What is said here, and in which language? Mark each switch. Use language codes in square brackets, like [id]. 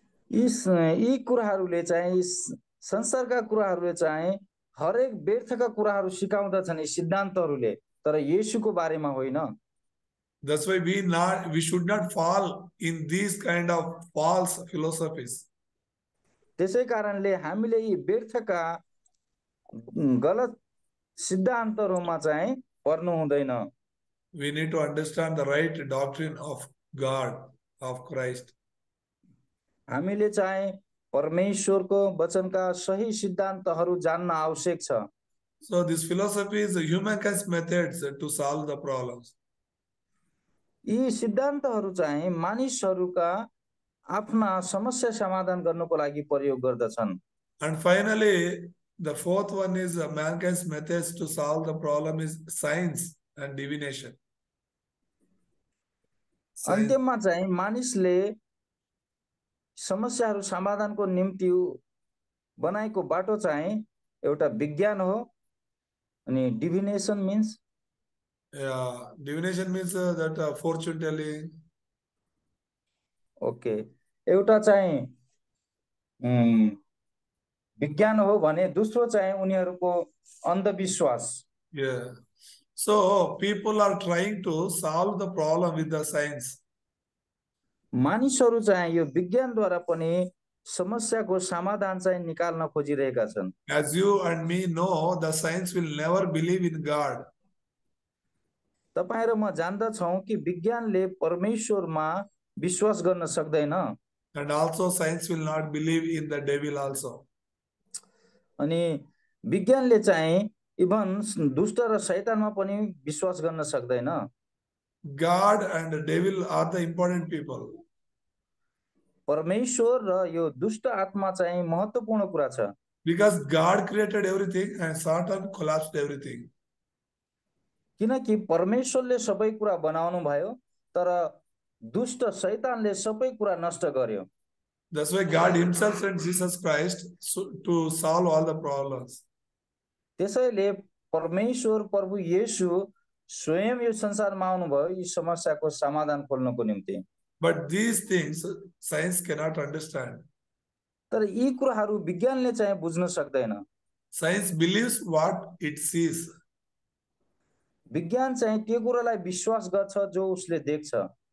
[ne] यी कुराहरूले चाहिँ संसारका कुराहरूले चाहिँ हरेक व्यर्थका कुराहरू सिकाउँदछन् यी सिद्धान्तहरूले तर येशूको बारेमा होइन [en] That's why we should not fall in these kind of false philosophies. [ne] त्यसै कारणले हामीले यी व्यर्थका गलत सिद्धान्तहरूमा चाहिँ पर्नु हुँदैन [en] We need to understand the right doctrine of God, of Christ. [ne] हामीले चाहिँ परमेश्वरको वचनका सही सिद्धान्तहरू जान्न आवश्यक छ। [en] So this philosophy is the humankind's methods to solve the problems. [ne] यी सिद्धान्तहरू चाहिँ मानिसहरूका आफ्ना समस्या समाधान गर्नको लागि प्रयोग गर्दछन्। [en] And finally, the fourth one is mankind's methods to solve the problem is science and divination. [ne] अन्त्यमा चाहिँ मानिसले समस्याहरू समाधानको निम्ति बनाएको बाटो चाहिँ एउटा विज्ञान हो अनि [en] divination means divination means that fortune telling [ne] okay एउटा चाहिँ विज्ञान हो भने दोस्रो चाहिँ उनीहरूको अन्धविश्वास [en] so people are trying to solve the problem with the science [ne] मानिसहरू चाहिँ यो विज्ञानद्वारा पनि समस्याको समाधान चाहिँ निकाल्न खोजिरहेका छन् [en] As you and me know, the science will never believe in God. [ne] तपाईं र म जान्दछौं कि विज्ञानले परमेश्वरमा विश्वास गर्न सक्दैन [en] And also science will not believe in the devil also. [ne] अनि विज्ञानले चाहिँ इभन दुष्ट र शैतानमा पनि विश्वास गर्न सक्दैन [en] God and the devil are the important people. [ne] परमेश्वर र यो दुष्ट आत्मा चाहिँ महत्त्वपूर्ण कुरा छ [en] Because God created everything and Satan collapsed everything. [ne] किनकि परमेश्वरले सबै कुरा बनाउनु भयो तर दुष्ट शैतानले सबै कुरा नष्ट गर्यो [en] That's why God himself sent Jesus Christ to solve all the problems. [ne] त्यसैले परमेश्वर प्रभु येशू स्वयं यो संसारमा आउनुभयो यी समस्याको समाधान खोल्नको निम्ति [en] But these things science cannot understand. [ne] तर यी कुराहरू विज्ञानले चाहिँ बुझ्न सक्दैन [en] Science believes what it sees. [ne] विज्ञान चाहिँ त्यो कुरालाई विश्वास गर्छ जो उसले देख्छ